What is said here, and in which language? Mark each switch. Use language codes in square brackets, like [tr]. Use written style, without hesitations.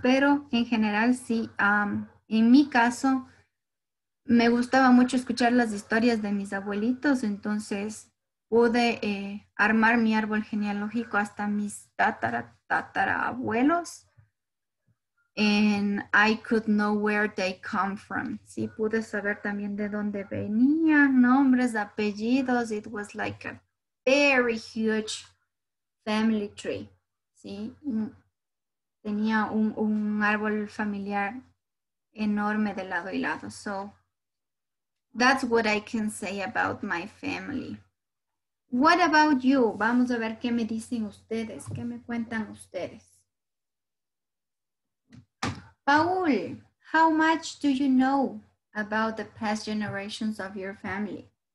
[es] Pero en general, sí, en mi caso, me gustaba mucho escuchar las historias de mis abuelitos. Entonces pude armar mi árbol genealógico hasta mis tatarabuelos. [en] And I could know where they come from. [es] Sí, pude saber también de dónde venían, nombres, apellidos. [en] It was like a very huge family tree. [es] Sí, tenía un árbol familiar enorme de lado y lado. [en] So that's what I can say about my family. What about you? [es] Vamos a ver qué me dicen ustedes, qué me cuentan ustedes. [en] Paul, how much do you know about the past generations of your family?